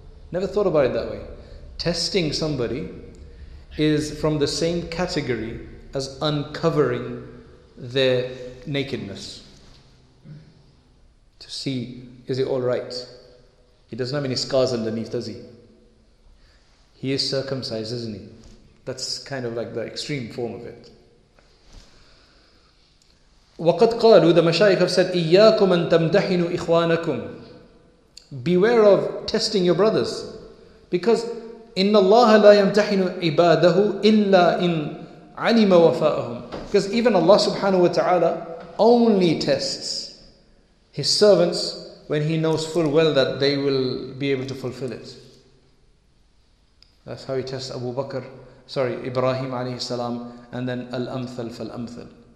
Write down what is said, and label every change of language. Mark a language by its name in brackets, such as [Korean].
[English] Never thought about it that way. Testing somebody is from the same category as uncovering their nakedness. To see, is it all right? He doesn't have any scars underneath, does he? He is circumcised, isn't he? That's kind of like the extreme form of it. [Arabic] وَقَدْ قَالُوا, [English] the mashayikh have said, [Arabic] إِيَّاكُمْ أَن تَمْدَحِنُوا إِخْوَانَكُمْ. [English] Beware of testing your brothers. Because [Arabic] إن الله لا يمتحن عباده إلا إن علم وفاءهم. [English] Because even Allah [Arabic] subhanahu wa ta'ala [English] only tests His servants when He knows full well that they will be able to fulfill it. That's how He tests Abu Bakr, Ibrahim [Arabic] alayhi salam, [English] and then [Arabic] Al-Amthal fal-Amthal.